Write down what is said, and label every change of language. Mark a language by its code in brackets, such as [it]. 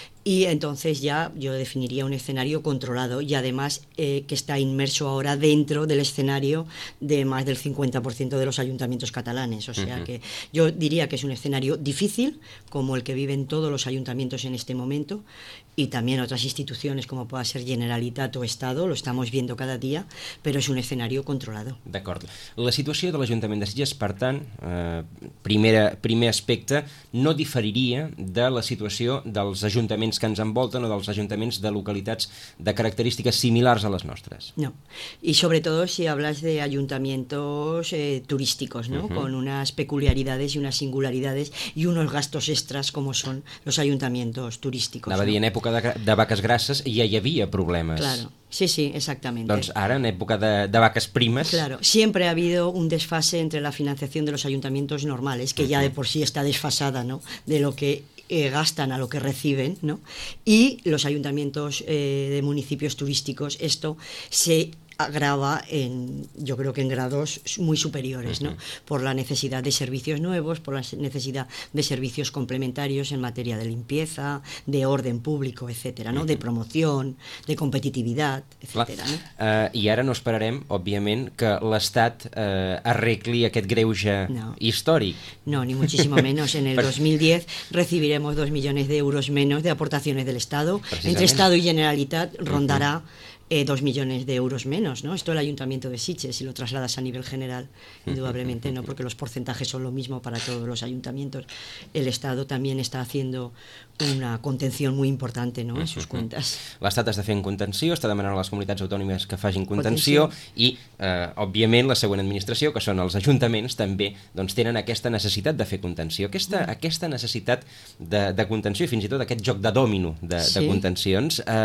[es] y entonces ya yo definiría un escenario controlado y además que está inmerso ahora dentro del escenario de más del 50% de los ayuntamientos catalanes. O sea que yo diría que es un escenario difícil, como el que viven todos los ayuntamientos en este momento, y también otras instituciones como pueda ser Generalitat o Estado, lo estamos viendo cada día, pero es un escenario controlado. [ca] D'acord. La situació de l'Ajuntament de Sitges, per tant, primer aspecte, no diferiria de la situació dels ajuntaments que ens envolten o dels ajuntaments de localitats de característiques similars a les nostres. No. [es] Y sobre todo si hablas de ayuntamientos turísticos, ¿no? Con unas peculiaridades y unas singularidades y unos gastos extras como son los ayuntamientos turísticos. [ca] Anava a dir, en època de vaques grasses ja hi havia problemes. [es] Claro. Sí, exactamente. [ca] Doncs ara, en època de vaques primes... [es] Claro, siempre ha habido un desfase entre la financiación de los ayuntamientos normales, que ya de por sí está desfasada, ¿no?, de lo que gastan a lo que reciben, ¿no?, y los ayuntamientos de municipios turísticos. Esto se agrava en, yo creo que en grados muy superiores, ¿no? Por la necesidad de servicios nuevos, por la necesidad de servicios complementarios en materia de limpieza, de orden público, etcétera, ¿no? De promoción, de competitividad, etcétera, ¿no? [ca] I ara no esperarem, òbviament, que l'Estat arregli aquest greuge històric. [es] No, ni muchísimo menos. En el 2010 recibiremos 2 millones de euros menos de aportaciones del Estado. Entre Estado y Generalitat rondará 2 millones de euros menos, ¿no? Esto el Ayuntamiento de Sitges, si lo trasladas a nivel general, indudablemente, ¿no? Porque los porcentajes son lo mismo para todos los ayuntamientos. El Estado también está haciendo una contención muy importante, ¿no?, en sus cuentas. [ca] L'Estat està fent contenció, està demanant a les comunitats autònomes que facin contenció, i, òbviament, la següent administració, que són els ajuntaments, també doncs tenen aquesta necessitat de fer contenció. Aquesta necessitat de contenció, i fins i tot aquest joc de dòmino de contencions...